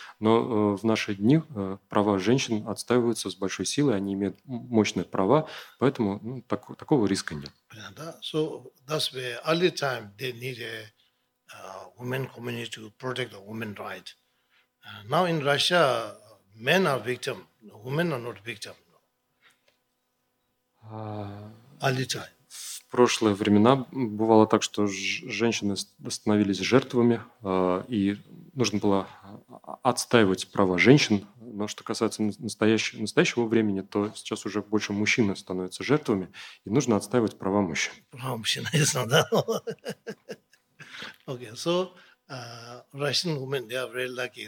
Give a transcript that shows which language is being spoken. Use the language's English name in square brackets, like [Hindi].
[Russian] Но в наши дни права женщин отстаиваются с большой силой, они имеют мощные права, поэтому, ну, такого риска нет. [English] So that's where early time they need a women community to protect the women right. Now in Russia men are victim. Women are not victim. All the time. [Russian] В прошлые времена бывало так, что женщины становились жертвами, и нужно было отстаивать права женщин. Но что касается настоящего времени, то сейчас уже больше мужчины становятся жертвами, и нужно отстаивать права мужчин. Права мужчин, ясно, да? [English] Okay, so Russian women, they are very lucky.